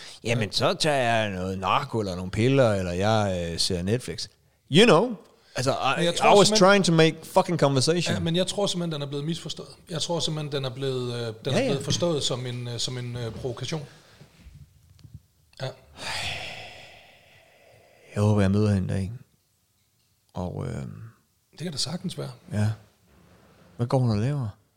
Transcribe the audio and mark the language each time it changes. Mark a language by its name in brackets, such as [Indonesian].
[Danish] Jamen, så tager jeg noget narko, eller nogle piller, eller jeg ser Netflix. [English] You know. Altså, I was trying to make fucking conversation. [Danish] Ja, men jeg tror simpelthen, den er blevet misforstået. Jeg tror simpelthen, den er blevet, blevet forstået som en, provokation. Ja. Jeg håber, jeg møder hende der en. Og det kan da sagtens være. Ja. Hvad går hun og laver?